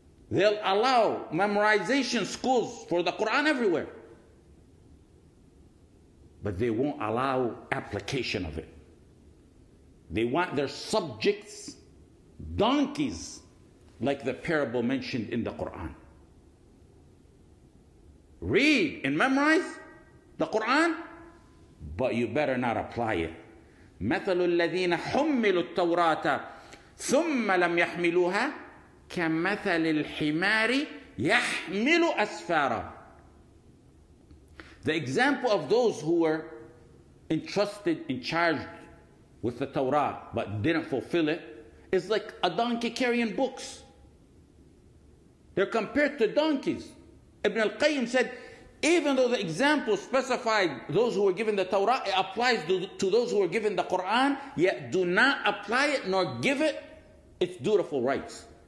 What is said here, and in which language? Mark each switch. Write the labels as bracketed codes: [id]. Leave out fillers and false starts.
[en] They'll allow memorization schools for the Quran everywhere, but they won't allow application of it. They want their subjects donkeys, like the parable mentioned in the Quran. Read and memorize the Quran, but you better not apply it. [ar] مثل الذين حملوا التوراة ثم لم يحملوها كمثل الحمار يحمل أسفارا [en] The example of those who were entrusted and charged with the Torah but didn't fulfill it is like a donkey carrying books. They're compared to donkeys. Ibn al-Qayyim said, even though the example specified those who were given the Torah, it applies to those who were given the Quran, yet do not apply it nor give it its dutiful rights.